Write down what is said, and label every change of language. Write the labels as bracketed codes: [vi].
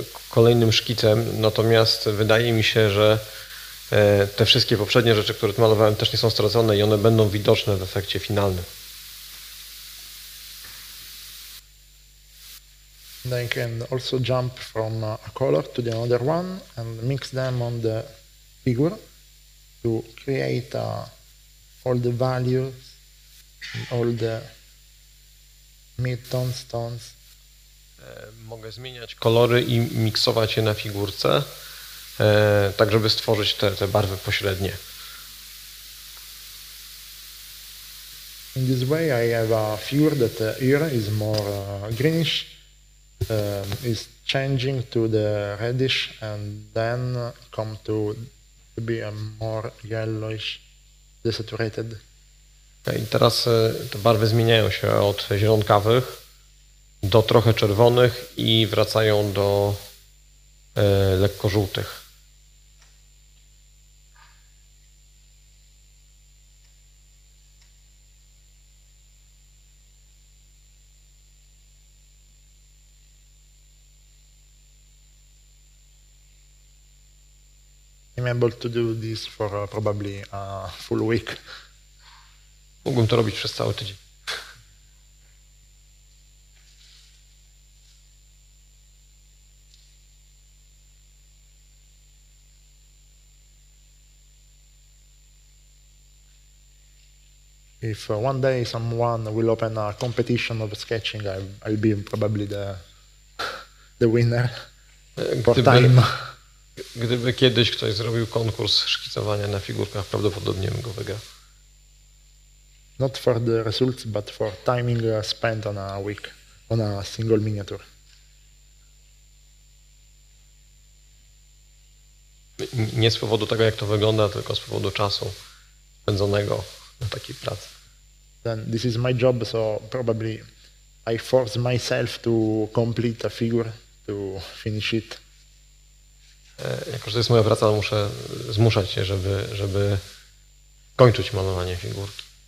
[pl] kolejnym szkicem, natomiast wydaje mi się, że te wszystkie poprzednie rzeczy, które tu malowałem, też nie są stracone i one będą widoczne w efekcie finalnym. [en] They can also jump from a color to the other one and mix them on the figure to create all the values, all the midtones, tones. [pl] Mogę zmieniać kolory i miksować je na figurce, tak żeby stworzyć te barwy pośrednie. [en] In this way I have a figure that here is more greenish. Is changing to the reddish and then come to be a more yellowish, desaturated. [pl] Okay, teraz te barwy zmieniają się od zielonkawych do trochę czerwonych i wracają do lekko żółtych. [en] I'm able to do this for probably a full week. [pl] Mógłbym to robić przez cały tydzień. [en] If one day someone will open a competition of sketching, I'll be probably the winner for time. [pl] Gdyby kiedyś ktoś zrobił konkurs szkicowania na figurkach, prawdopodobnie bym go wygrał. [en] Not for the results, but for timing spent on a week, on a single miniature. [pl] Nie z powodu tego, jak to wygląda, tylko z powodu czasu spędzonego na takiej pracy. [en] Then this is my job, so probably I force myself to complete a figure, to finish it. [pl] Jako, że to jest moja praca, muszę zmuszać się, żeby kończyć malowanie figurki.